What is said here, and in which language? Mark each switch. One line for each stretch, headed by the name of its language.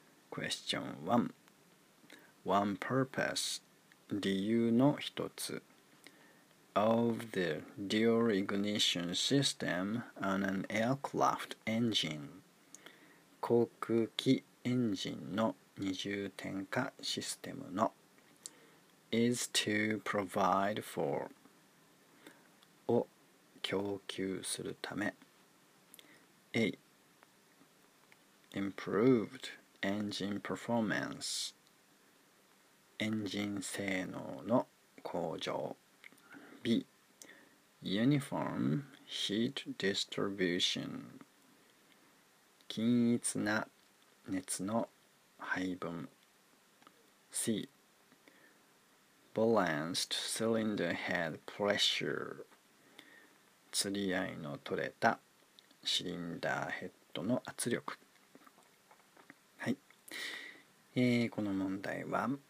English: Question 1. One purpose,
Japanese: 理由の一つ
English: of the dual ignition system on an aircraft engine
Japanese: 航空機エンジンの二重点火システムの
English: is to provide for
Japanese: を供給するため
English: A. Improved engine performance
Japanese: エンジン性能の向上
English: B. Uniform heat distribution
Japanese: 均一な熱の配分
English: C. Balanced cylinder head pressure
Japanese: 釣り合いの取れたシリンダーヘッドの圧力はい、この問題は